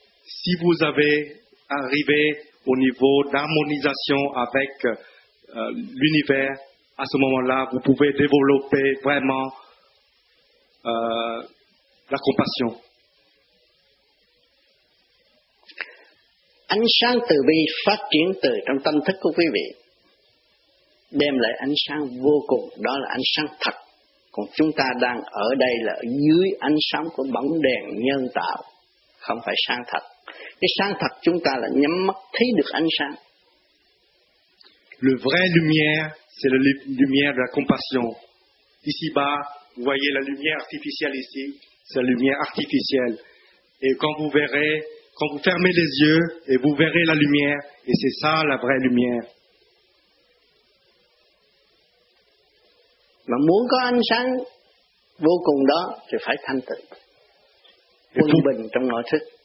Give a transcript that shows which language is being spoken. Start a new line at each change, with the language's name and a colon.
French: Si vous avez arrivé au niveau d'harmonisation avec l'univers, à ce moment-là, vous pouvez développer vraiment la compassion.
Vietnamese: Ánh sáng từ bi phát triển từ trong tâm thức của quý vị, đem lại ánh sáng vô cùng, đó là ánh sáng thật. Còn chúng ta đang ở đây là dưới ánh sáng của bóng đèn nhân tạo, không phải sáng thật. Cái sáng thật chúng ta là nhắm mắt thấy được ánh sáng.
French: Le vrai lumière, c'est la lumière de la compassion. Ici-bas, vous voyez la lumière artificielle ici, c'est la lumière artificielle. Et quand vous verrez, quand vous fermez les yeux, et vous verrez la lumière, et c'est ça la vraie lumière.
Vietnamese: Mà muốn có ánh sáng vô cùng đó, thì phải thanh tịnh, quân bình trong nội thức.